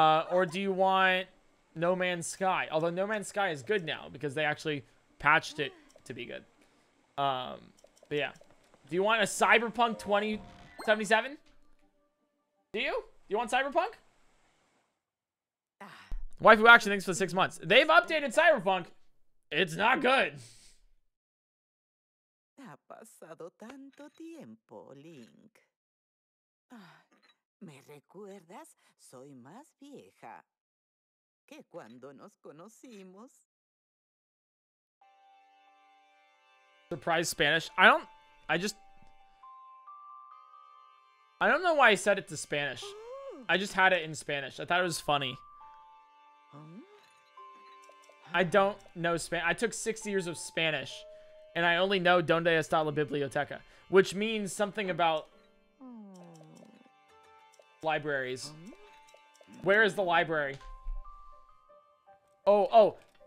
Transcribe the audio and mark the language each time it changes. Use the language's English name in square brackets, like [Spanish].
[English] Or do you want No Man's Sky? Although No Man's Sky is good now because they actually patched it to be good. But yeah. Do you want a Cyberpunk 2077? Do you? Do you want Cyberpunk? Waifu Action, thanks for the 6 months. They've updated Cyberpunk. It's not good. [Spanish] Ha pasado tanto tiempo, Link. ¿Me recuerdas? Soy más vieja que cuando nos conocimos. [English] Surprise Spanish. I don't know why I said it to Spanish. I just had it in Spanish. I thought it was funny. I don't know Spanish. I took 6 years of Spanish, and I only know [Spanish] Donde está la biblioteca, [English] which means something about libraries. Where is the library? Oh.